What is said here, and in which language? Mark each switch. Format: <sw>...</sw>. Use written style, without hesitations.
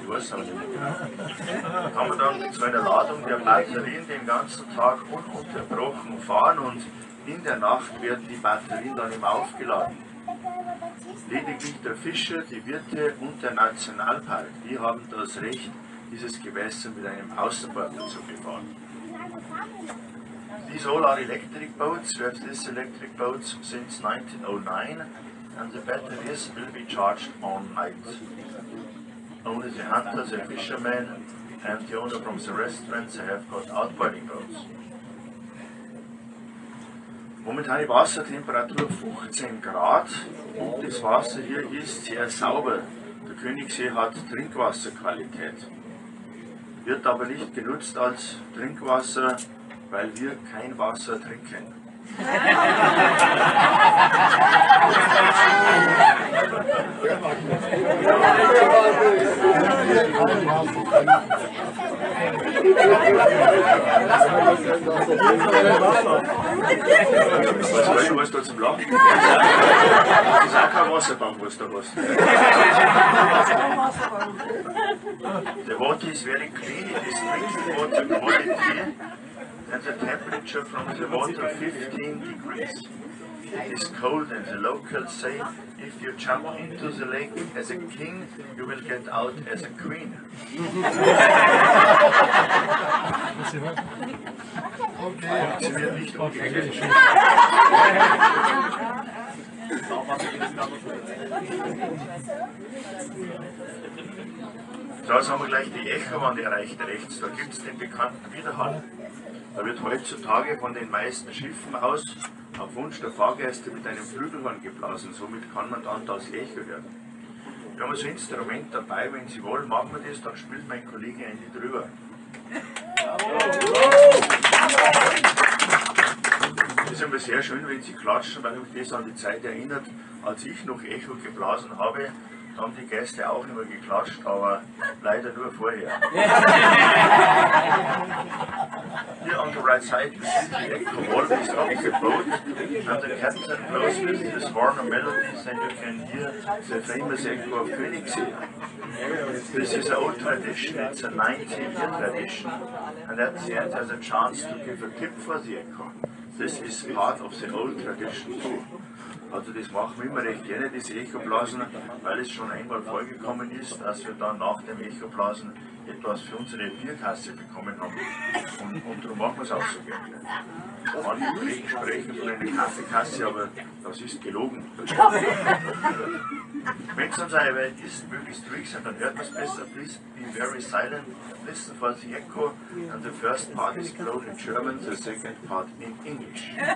<de>Ich weiß es nicht. Kann man dann mit so einer Ladung der Batterien den ganzen Tag ununterbrochen fahren und in der Nacht werden die Batterien dann immer aufgeladen. Lediglich der Fischer, die Wirte und der Nationalpark, die haben das Recht, dieses Gewässer mit einem Außenbordner zu befahren.</de> <en>These all are electric boats. We have these electric boats since 1909 and the batteries will be charged on night. Only the hunter, the fisherman and the owner from the restaurants have got outboarding boats.</en> <de>Momentan die Wassertemperatur 15 Grad und das Wasser hier ist sehr sauber. Der Königssee hat Trinkwasserqualität. Wird aber nicht genutzt als Trinkwasser, weil wir kein Wasser trinken. Was weißt du, was da zum Lachen? Das ist auch kein Wasserbank, was da was.</de> <en>The water is very clean, it is drinking water quality. And the temperature from the water 15 degrees. It is cold and the locals say, if you jump into the lake as a king, you will get out as a queen.</en> <de>Da haben wir gleich die Echowand erreicht rechts, da gibt es den bekannten Widerhall. Da wird heutzutage von den meisten Schiffen aus auf Wunsch der Fahrgäste mit einem Flügelhorn geblasen. Somit kann man dann das Echo hören. Wir haben so ein Instrument dabei, wenn Sie wollen, machen wir das, dann spielt mein Kollege eine drüber. Das ist immer sehr schön, wenn Sie klatschen, weil mich das an die Zeit erinnert, als ich noch Echo geblasen habe. haben die Gäste auch immer geklatscht, aber leider nur vorher.</de> <en>Hier on the right side, we see the Echo Wall is on the boat. And the captain blows with his horn and melodies, and you can hear the famous Echo of Königssee. This is an old tradition, it's a 19th year tradition. And at the end has a chance to give a tip for the Echo. This is part of the old tradition too.</en> <de>Also das machen wir immer recht gerne, diese Echoblasen, weil es schon einmal vorgekommen ist, dass wir dann nach dem Echoblasen etwas für unsere Bierkasse bekommen haben. Und darum machen wir es auch so gerne. Manche Kollegen sprechen von einer Kaffeekasse, aber das ist gelogen. Wenn es uns aber ist, möglichst ruhig sein, dann hört man es besser.</de> <en>Please be very silent, listen for the echo. And the first part is blown in German, the second part in English.</en>